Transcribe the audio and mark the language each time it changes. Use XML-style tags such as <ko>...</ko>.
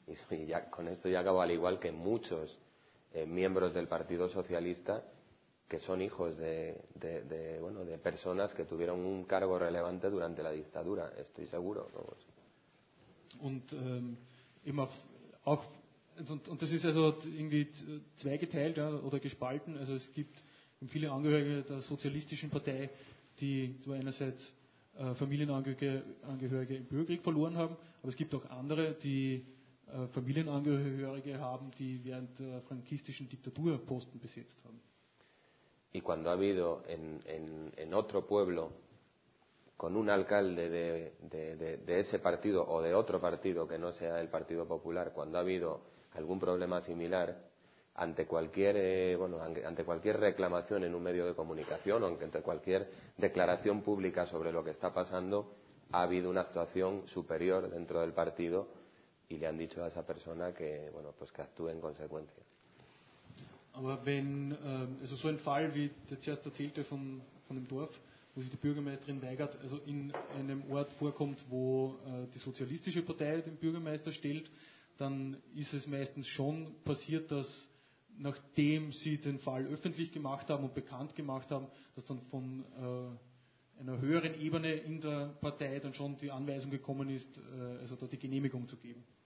<es>y ya, con esto ya acabo, al igual que muchos miembros del Partido Socialista, que son hijos de personas que tuvieron un cargo relevante durante la dictadura, estoy seguro, ¿no?</es> <de>Und eben auch und das ist also irgendwie zweigeteilt, ja, oder gespalten. Also es gibt viele Angehörige der sozialistischen Partei, die zwar einerseits Familienangehörige im Bürgerkrieg verloren haben, aber es gibt auch andere, die Familienangehörige haben, die während der frankistischen Diktatur Posten besetzt haben.</de> <es>Y cuando ha habido en otro pueblo con un alcalde de ese partido o de otro partido que no sea el Partido Popular, cuando ha habido algún problema similar, ante cualquier reclamación en un medio de comunicación o ante cualquier declaración pública sobre lo que está pasando, ha habido una actuación superior dentro del partido y le han dicho a esa persona que, bueno, pues que actúe en consecuencia.</es> <de>Aber wenn, also so ein Fall, wie der zuerst erzählte von dem Dorf, wo sich die Bürgermeisterin weigert, also in einem Ort vorkommt, wo die sozialistische Partei den Bürgermeister stellt, dann ist es meistens schon passiert, dass nachdem sie den Fall öffentlich gemacht haben und bekannt gemacht haben, dass dann von einer höheren Ebene in der Partei dann schon die Anweisung gekommen ist, also da die Genehmigung zu geben.</de>